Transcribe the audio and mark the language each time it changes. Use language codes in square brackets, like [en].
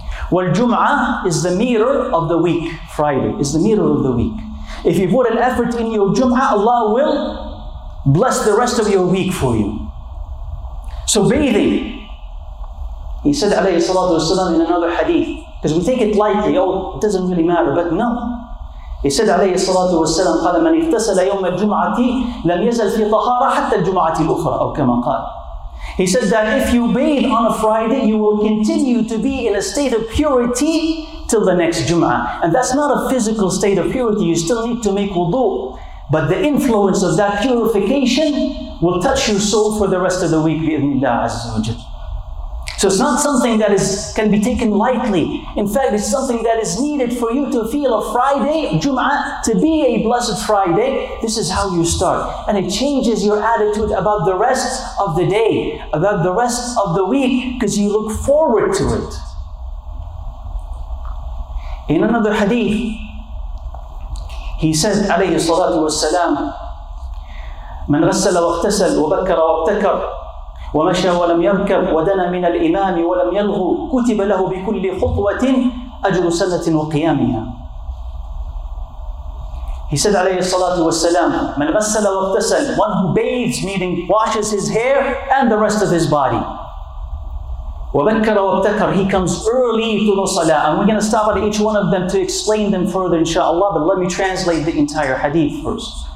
[en] Wal Jum'ah is the mirror of the week. Friday is the mirror of the week. If you put an effort in your Jum'ah, Allah will bless the rest of your week for you. So bathing, he said alayhi salatu wasalam in another hadith, because we take it lightly, oh, it doesn't really matter, but no. He said [ar] alayhi salatu wasalam, قَالَ مَنْ اِغْتَسَلَ يَوْمَ الْجُمْعَةِ لَمْ يَزَلْ فِي طَهَارَةٍ حَتَّى الْجُمْعَةِ الْأُخْرَىٰ أَوْ كَمَا قَالَ. [en] He said that if you bathe on a Friday, you will continue to be in a state of purity till the next Jum'ah. And that's not a physical state of purity, you still need to make wudu. But the influence of that purification will touch your soul for the rest of the week, bi-idhnillah azza wa jal. So it's not something that can be taken lightly. In fact, it's something that is needed for you to feel a Friday, Jum'ah, to be a blessed Friday. This is how you start. And it changes your attitude about the rest of the day, about the rest of the week, because you look forward to it. In another hadith, he said, [ar] alayhi salatu wasalam, من غسل واغتسل وبكر وابتكر ومشى ولم يركب ودنا من الإمام ولم يلغو كتب له بكل خطوة أجر سنة وقيامها. [en] He said عليه الصلاة والسلام, [ar] من غسل واغتسل, [en] one who bathes meaning washes his hair and the rest of his body. [ar] وبكر وابتكر, [en] he comes early to the salah. And we're going to stop at each one of them to explain them further inshallah, but let me translate the entire hadith first.